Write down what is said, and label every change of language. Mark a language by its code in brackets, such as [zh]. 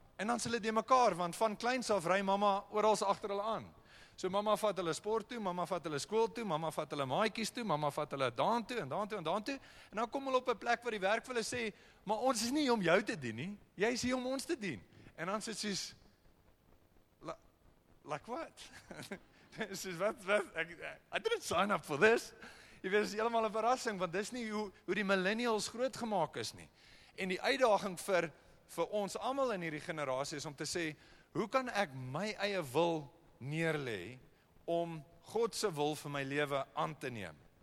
[af] En dan sê hulle die mekaar, want van kleins af ry mamma oral agter hulle aan. So mamma vat hulle sport toe, mamma vat hulle skool toe, mamma vat hulle maatjies toe, mamma vat hulle daan toe en daan toe en daan toe. En dan kom hulle op 'n plek waar die werk vir hulle sê, maar ons is nie om jou te dien nie, jy is hier om ons te dien. En dan sê hulle soos, [en] like what? [af] Soos, wat, [en] I didn't sign up for this. [af] Jy weet, dit is helemaal 'n verrassing, want dit is nie hoe die millennials grootgemaak is nie. En die uitdaging vir ons allemaal in hierdie generasie is om te sê, hoe kan ek my eie wil neerlê om Godse wil vir my lewe aan te neem?